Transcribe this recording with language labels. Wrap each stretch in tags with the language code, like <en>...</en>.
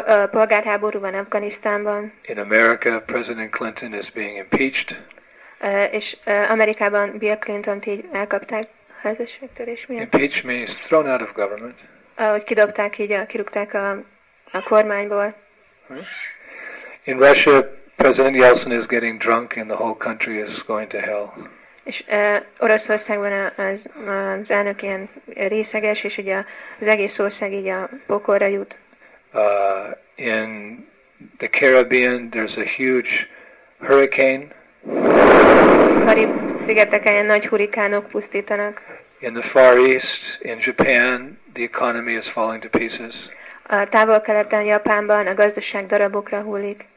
<hu>Polgárháború van Afganisztánban.</hu> <en>In America, President Clinton is being impeached.</en> <hu>És Amerikában Bill Clinton-t így elkapták. Impeach</hu> <en>means thrown out of government.</en> <hu>ahogy kidobták így, kirúgták a kormányból.</hu> <en>In Russia, President Yeltsin is getting drunk and the whole country is going to hell.</en> <hu>És Oroszországban az elnök ilyen részeges, és ugye az egész ország így a pokolra jut.</hu> <en>In the Caribbean, there's a huge hurricane.</en> <hu>Karib-szigeteken nagy hurrikánok pusztítanak.</hu> <en>In the Far East, in Japan, the economy is falling to pieces.</en> <hu>A távol-keleten, Japánban a gazdaság darabokra hullik.</hu>